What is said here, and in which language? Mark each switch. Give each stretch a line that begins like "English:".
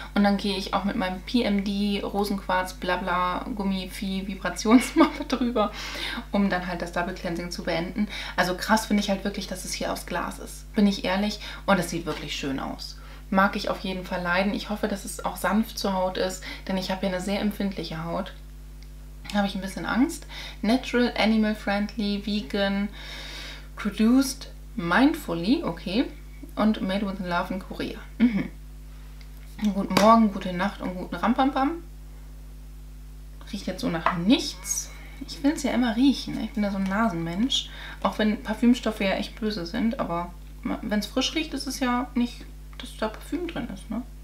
German: Und dann gehe ich auch mit meinem PMD, Rosenquarz, Blabla, Gummivieh, Vibrationsmappe drüber, um dann halt das Double Cleansing zu beenden. Also krass finde ich halt wirklich, dass es hier aus Glas ist. Bin ich ehrlich. Und es sieht wirklich schön aus. Mag ich auf jeden Fall leiden. Ich hoffe, dass es auch sanft zur Haut ist, denn ich habe ja eine sehr empfindliche Haut. Habe ich ein bisschen Angst.
English: Natural, animal friendly, vegan, produced mindfully, okay, und made with love in Korea. Mhm.
German: Guten Morgen, gute Nacht und guten Rampampam. Riecht jetzt so nach nichts. Ich will es ja immer riechen, ich bin ja so ein Nasenmensch. Auch wenn Parfümstoffe ja echt böse sind, aber wenn es frisch riecht, ist es ja nicht, dass da Parfüm drin ist, ne?